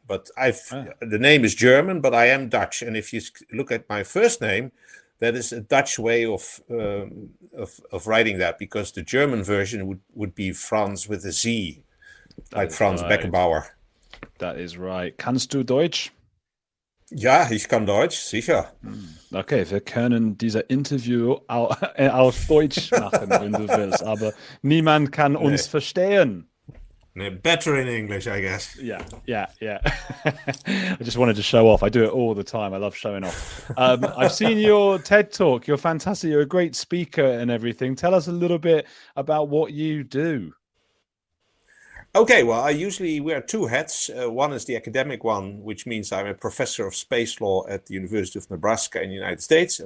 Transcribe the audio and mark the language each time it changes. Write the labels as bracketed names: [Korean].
[English] But the name is German, but I am Dutch. And if you look at my first name, that is a Dutch way of writing that, because the German version would be Franz with a Z, like Franz Beckenbauer. That is right. [German] Kannst du Deutsch? Ja, ich kann Deutsch, sicher. Okay, wir können diese Interview auf Deutsch machen, wenn du willst, aber niemand kann uns verstehen. [English] Better in English, I guess. Yeah. I just wanted to show off. I do it all the time. I love showing off. I've seen your TED Talk. You're fantastic. You're a great speaker and everything. Tell us a little bit about what you do. Okay, well, I usually wear two hats. One is the academic one, which means I'm a professor of space law at the University of Nebraska in the United States.